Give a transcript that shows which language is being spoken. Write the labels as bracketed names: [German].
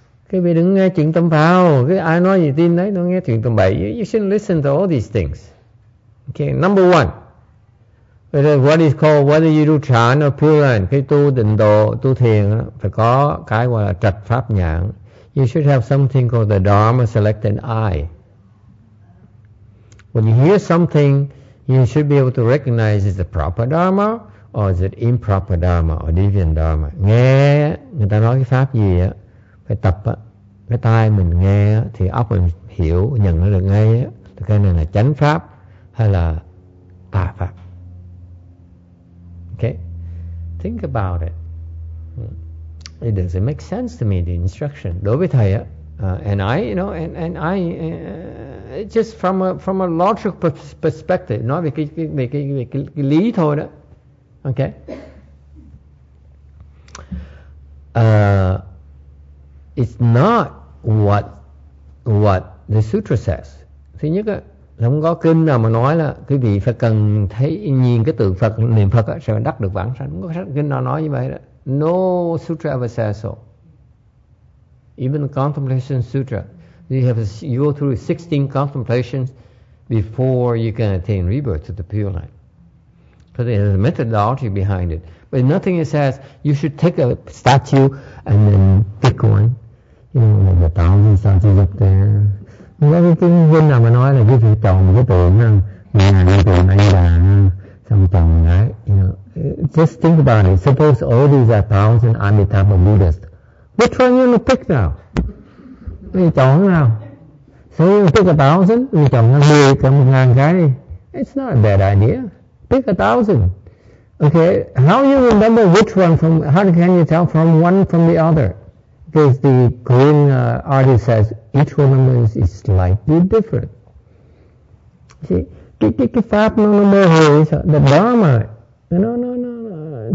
[Vietnamese] Cứ bị đứng nghe chuyện tâm phao, cứ ai nói gì tin đấy, nó nghe chuyện tâm bậy. [English] You shouldn't listen to all these things. Okay, number one. Whether what is called, whether you do chan or pure line, [Vietnamese] cái tu định độ, tu thiền đó, phải có cái gọi là trạch pháp nhãn. [English] You should have something called the Dharma selected eye. When you hear something, you should be able to recognize is it proper Dharma or is it improper Dharma or deviant Dharma. [Vietnamese] Nghe người ta nói cái pháp gì á, phải tập á, cái tai mình nghe á, thì óc mình hiểu, nhận nó được ngay á. Cái này là chánh pháp hay là tà pháp. [English] Okay, think about it. It doesn't make sense to me, the instruction. [Vietnamese] Đối với thầy á, [English] it's just from a logical perspective, [Vietnamese] nói về cái lý thôi đó. Okay. [English] It's not what the sutra says. [Vietnamese] Thứ nhất á, không có kinh nào mà nói là quý vị phải cần thấy nhìn cái tượng Phật, niệm Phật á, sẽ đắc được vãng sanh. Không có sách kinh nào nói như vậy đó. [English] No sutra ever says so. Even the contemplation sutra, you have to go through 16 contemplations before you can attain rebirth to the pure line. So there's a methodology behind it. But nothing it says you should take a statue and then pick one. You know, like a thousand statues up there. Everything when I'm [Vietnamese] nói là cái tượng một cái tượng, một ngàn tượng Ma Di Đà, trăm tượng đấy. [English] You know, just think about it. Suppose all these are thousand Amitabha Buddhas. Which one you gonna pick now? [Vietnamese] Mình chọn nào? [English] So you pick a thousand, [Vietnamese] mình chọn 10, chọn 1,000 cái đi. [English] It's not a bad idea. Pick a thousand. Okay, how you remember which one from, how can you tell from one from the other? Because the Korean artist says each one of them is slightly different. [Vietnamese] See, cái pháp nó mơ hồ, [English] the Dharma, no.